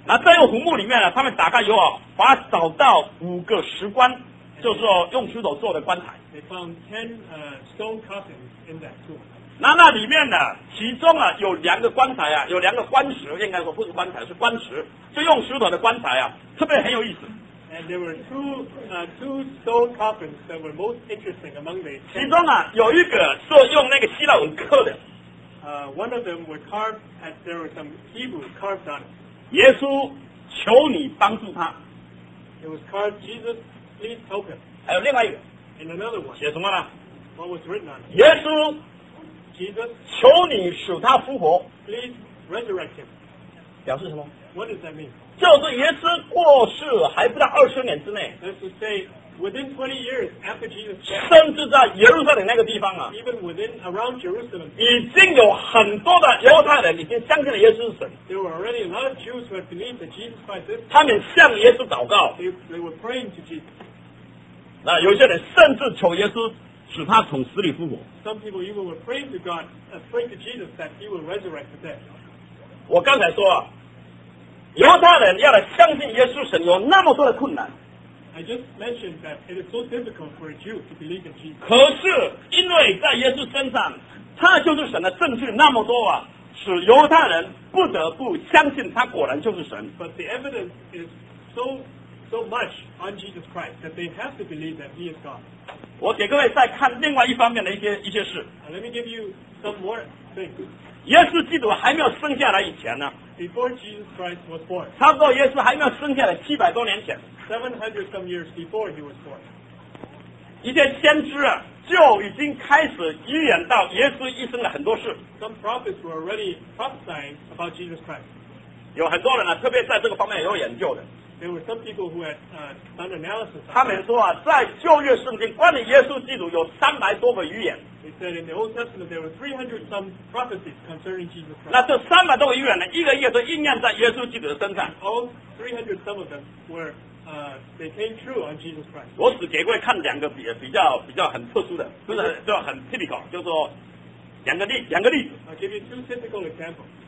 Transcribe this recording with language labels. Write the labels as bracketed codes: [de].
[zh] 那在这个坟墓里面呢、啊，他们打开以后啊，把找到5个石棺。就是说用石头做的棺材。 [en] They found 10 stone coffins in that tomb. [zh] 那里面呢，其中啊有两个棺材啊，有两个棺石，应该说不是棺材，是棺石，就用石头的棺材啊，特别很有意思。 [en] And there were two stone coffins that were most interesting among the. [zh] 其中啊有一个是用那个希腊文刻的。 [en] One of them were carved, and there were some Hebrew carved on it. [zh] 耶稣，求你帮助他。 [en] It was carved Jesus. Please help him. [zh] 还有另外一个 [en] ，In another one， [zh] 写什么呢 [en] ？What was written on it？ [zh] 耶稣 [en] ，Jesus， [zh] 求你使他复活。 [en] Please resurrect him。 [zh] 表示什么 [en] ？What does that mean？ [zh] 就是耶稣过世还不到20年之内。 [en] That's to say within 20 years after Jesus died。 [zh] 甚至在耶路撒冷那个地方啊 [en] ，Even within around Jerusalem， [zh] 已经有很多的犹太人已经相信了耶稣是神。 [en] There were already a lot of Jews who had believed that Jesus Christ is。 [zh] 他们向耶稣祷告。 [en] They were praying to Jesus。 [zh] 那有些人甚至求耶稣使他从死里复活。 [en] Some people even were praying to God, praying to Jesus that He will resurrect the dead. [zh] 我刚才说啊，犹太人要来相信耶稣神有那么多的困难。 [en] I just mentioned that it is so difficult for a Jew to believe in Jesus. [zh] 可是因为在耶稣身上，他就是神的证据那么多啊，使犹太人不得不相信他果然就是神。 [en] But the evidence is so much on Jesus Christ that they have to believe that He is God. [zh] 我给各位再看另外一方面的一些事。 [en] Let me give you some more things. [zh] 耶稣基督还没有生下来以前呢。 [en] Before Jesus Christ was born. [zh] 差不多耶稣还没有生下来700多年前。 [en] 700 some years before He was born. [zh] 一些先知啊就已经开始预言到耶稣一生的很多事。 [en] Some prophets were already prophesying about Jesus Christ. [zh] 有很多人呢，特别在这个方面有研究的。 [en] There were some people who had done analysis. [zh] 他们说啊，在旧约圣经关于耶稣基督有300多个预言。 [en] They said in the Old Testament there were 300 some prophecies concerning Jesus Christ. [zh] 那这300多个预言呢，一个一个都应验在耶稣基督的身上。 [en] All 300 some of them were they came true on Jesus Christ. [zh] 我只给各位看两个比较很特殊的，不是就很 typical， 就是说两个例子。 [en] I'll give you two typical examples.